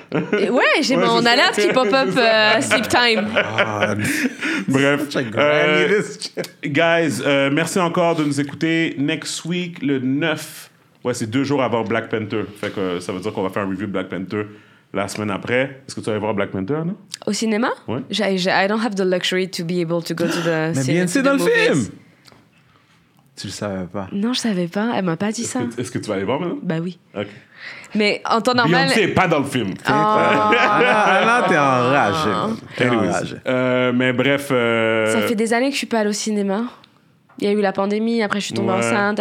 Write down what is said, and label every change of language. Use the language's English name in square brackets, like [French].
[French] Ouais, j'ai ouais, mon alerte qui pop up sleep time. Bref. Guys, merci encore de nous écouter. [English] Next week, [French] le 9. Ouais, c'est deux jours avant Black Panther. Fait que ça veut dire qu'on va faire un review Black Panther la semaine après. Est-ce que tu vas aller voir Black Panther, Anna? Au cinéma? Ouais. [English] I don't have the luxury to be able to go to the cinema. [French] Mais bien, c'est dans le film! Tu le savais pas? Non, je savais pas. Elle m'a pas dit est-ce ça. Que, est-ce que tu vas aller voir maintenant? Bah oui. OK. Mais en temps normal... Beyoncé est pas dans le film. Oh. Là, t'es enragé. T'es enragé. Mais bref... Ça fait des années que je suis pas allée au cinéma. Il y a eu la pandémie. Après, je suis tombée enceinte.